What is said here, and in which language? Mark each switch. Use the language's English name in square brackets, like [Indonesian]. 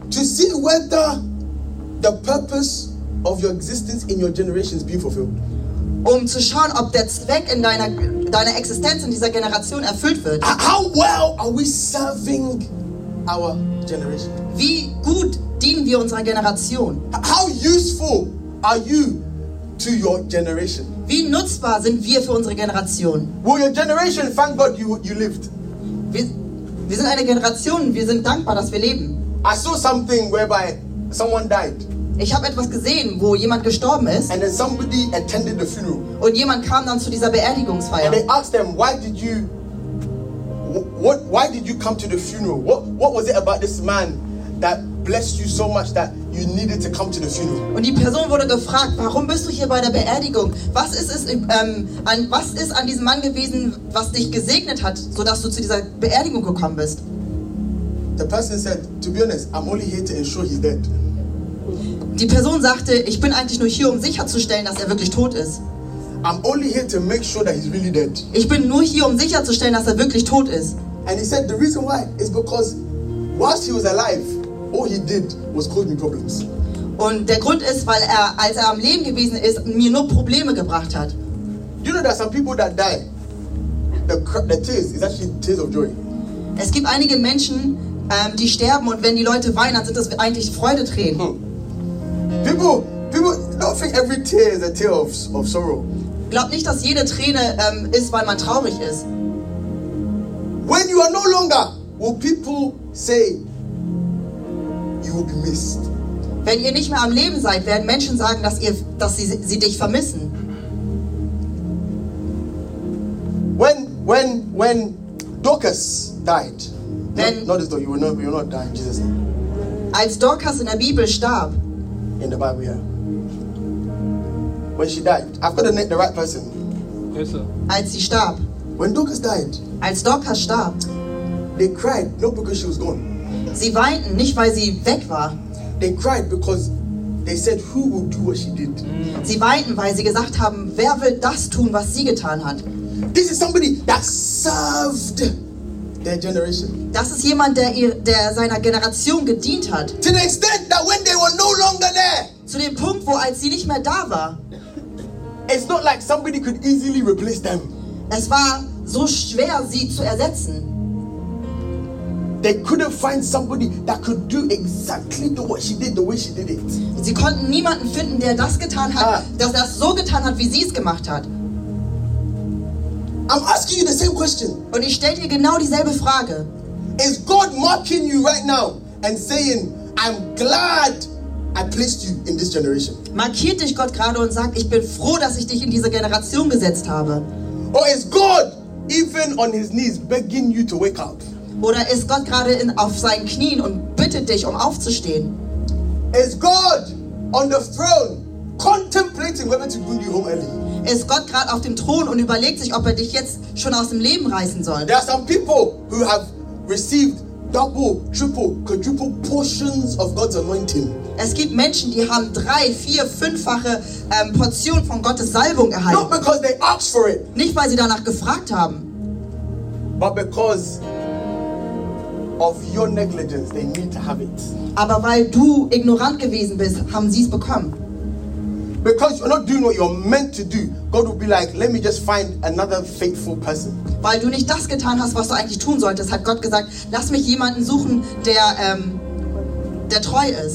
[English] To see whether the purpose of your existence in your generation is being fulfilled. [German] Um zu schauen, ob der Zweck in deiner Existenz in dieser Generation erfüllt wird. [English] How well are we serving our generation? [German] Wie gut dienen wir unserer Generation? [English] How useful are you to your generation? [German] Wie nutzbar sind wir für unsere Generation? [English] Will your generation thank God you lived? [German] Wir sind eine Generation, wir sind dankbar, dass wir leben. [English] I saw something whereby someone died. [German] Ich habe etwas gesehen, wo jemand gestorben ist. [English] And then somebody attended the funeral. [German] Und jemand kam dann zu dieser Beerdigungsfeier. [English] And they asked them, why did you come to the funeral? What was it about this man that blessed you so much that you needed to come to the funeral? [German] Und die Person wurde gefragt, warum bist du hier bei der Beerdigung? Was ist es was ist an diesem Mann gewesen, was dich gesegnet hat, so dass du zu dieser Beerdigung gekommen bist? [English] The person said, to be honest, I'm only here to ensure he's dead. [German] Die Person sagte, ich bin eigentlich nur hier, um sicherzustellen, dass er wirklich tot ist. [English] I'm only here to make sure that he's really dead. [German] Ich bin nur hier, um sicherzustellen, dass er wirklich tot ist. [English] And he said the reason why is because whilst he was alive, all he did was cause me problems. [German] Und der Grund ist, weil er, als er am Leben gewesen ist, mir nur Probleme gebracht hat. [English] You know that some people that die, the tears is actually tears of joy. [German] Es gibt einige Menschen, die sterben, und wenn die Leute weinen, dann sind das eigentlich Freudetränen. [English] People don't think every tear is a tear of sorrow. [German] Glaub nicht, dass jede Träne ist, weil man traurig ist. [English] When you are no longer, will people say, will be missed. [German] Wenn ihr nicht mehr am Leben seid, werden Menschen sagen, dass sie dich vermissen. [English] When Dorcas died, you were not dying, Jesus. [German] Als Dorcas in der Bibel starb. [English] In the Bible, yeah. When she died, I've got to name the right person. Yes, sir. [German] Als sie starb. [English] When Dorcas died. [German] Als Dorcas starb. [English] They cried not because she was gone. [German] Sie weinten nicht, weil sie weg war. [English] They cried because they said, who will do what she did? [German] Sie weinten, weil sie gesagt haben, wer will das tun, was sie getan hat? [English] This is somebody that served their generation. [German] Das ist jemand, der seiner Generation gedient hat. [English] To the extent that when they were no longer there. [German] Zu dem Punkt, wo als sie nicht mehr da war. [English] It's not like somebody could easily replace them. [German] Es war so schwer, sie zu ersetzen. [English] They couldn't find somebody that could do exactly what she did the way she did it. [German] Sie konnten niemanden finden, der das getan hat, dass das so getan hat, wie sie es gemacht hat. [English] I'm asking you the same question. [German] Und ich stelle dir genau dieselbe Frage. [English] Is God mocking you right now and saying, I'm glad I placed you in this generation? [German] Markiert dich Gott gerade und sagt, ich bin froh, dass ich dich in diese Generation gesetzt habe? [English] Or is God even on his knees begging you to wake up? Oder ist Gott gerade auf seinen Knien und bittet dich, um aufzustehen? Is God on the throne, contemplating whether to bring you home early. [German] Ist Gott gerade auf dem Thron und überlegt sich, ob er dich jetzt schon aus dem Leben reißen soll? [English] There are some people who have received double, triple, quadruple portions of God's anointing. [German] Es gibt Menschen, die haben drei, vier, fünffache Portionen von Gottes Salbung erhalten. [English] Not because they asked for it. [German] Nicht weil sie danach gefragt haben. [English] But because of your negligence, they need to have it. [German] Aber weil du ignorant gewesen bist, haben sie es bekommen. [English] Because you're not doing what you're meant to do, God will be like, let me just find another faithful person. [German] Weil du nicht das getan hast, was du eigentlich tun solltest, hat Gott gesagt, lass mich jemanden suchen, der treu ist.